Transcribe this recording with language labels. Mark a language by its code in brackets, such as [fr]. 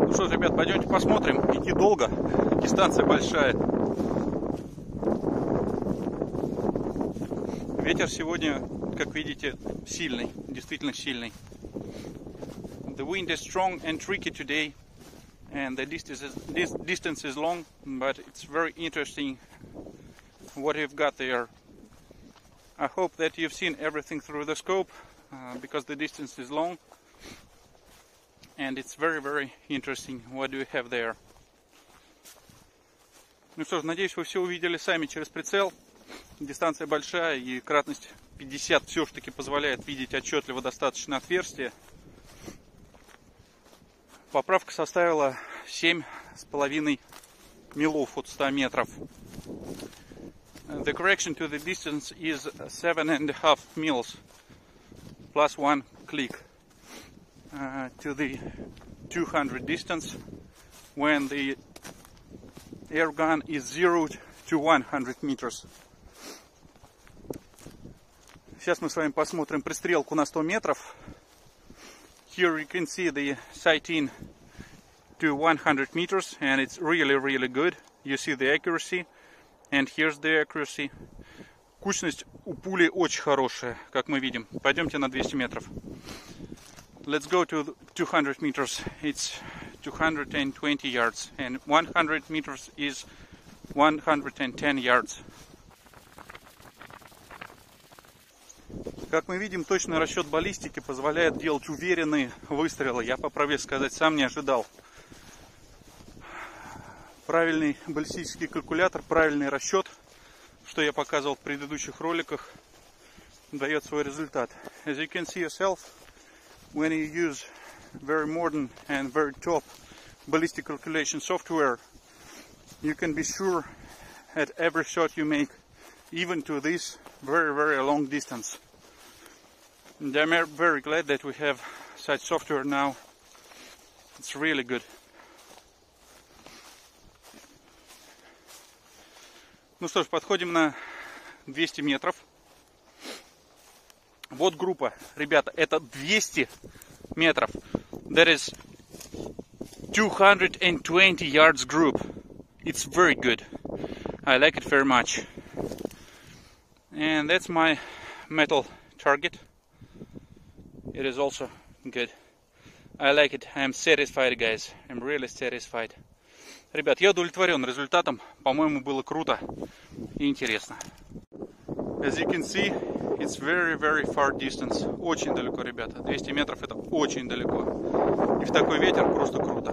[ru] Ребят, пойдемте посмотрим. Идти долго, дистанция большая. Ветер сегодня, как видите, сильный, действительно сильный. [en] The wind is strong and tricky today, and the distance is long, but it's very interesting what you've got there. I hope that you've seen everything through the scope, because the distance is long. And it's very, very interesting. What do you have there? [ru] Ну что ж, надеюсь, вы все увидели сами через прицел. Дистанция большая и кратность 50 все же таки позволяет видеть отчетливо достаточно отверстие. Поправка составила 7,5 милов от 100 метров. [en] The correction to the distance is 7.5 mils plus one click to the 200 distance when the air gun is zeroed to 100 meters. [ru] Сейчас мы с вами посмотрим пристрелку на 100 метров. [en] Here you can see the sighting to 100 meters and it's really, really good. You see the accuracy. And here's the accuracy. [ru] Кучность у пули очень хорошая, как мы видим. Пойдемте на 200 метров. [en] Let's go to 200 meters. It's 220 yards. And 100 meters is 110 yards. [ru] Как мы видим, точный расчет баллистики позволяет делать уверенные выстрелы. Я, по праве сказать, сам не ожидал. Правильный баллистический калькулятор, правильный расчет, что я показывал в предыдущих роликах, дает свой результат. [en] As you can see yourself, when you use very modern and very top ballistic calculation software, you can be sure at every shot you make, even to this very, very long distance. And I'm very glad that we have such software now. It's really good. [ru] Ну что ж, подходим на 200 метров. Вот группа, ребята, это 200 метров. [en] That is 220 yards group. It's very good. I like it very much. And that's my metal target. It is also good. I like it. I'm satisfied, guys. I'm really satisfied. [ru] Ребят, я удовлетворен результатом. По-моему, было круто и интересно. [en] As you can see, it's very, very far distance. [ru] Очень далеко, ребята. 200 метров это очень далеко. И в такой ветер просто круто.